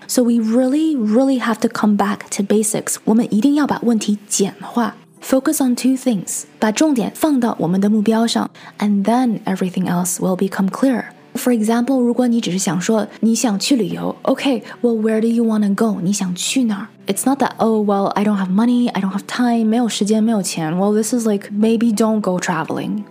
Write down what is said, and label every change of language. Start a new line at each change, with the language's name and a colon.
English: So we really, really have to come back to basics.
Chinese: 我们一定要把问题简化。
English: Focus on two things,
Chinese: 把重点放到我们的目标上
English: and then everything else will become clear. For example,
Chinese: 如果你只是想说你想去旅游
English: okay, well, where do you want to go?
Chinese: 你想去哪儿
English: It's not that, oh, well, I don't have money, I don't have time,
Chinese: 没有时间，没有钱
English: Well, this is like, maybe don't go traveling.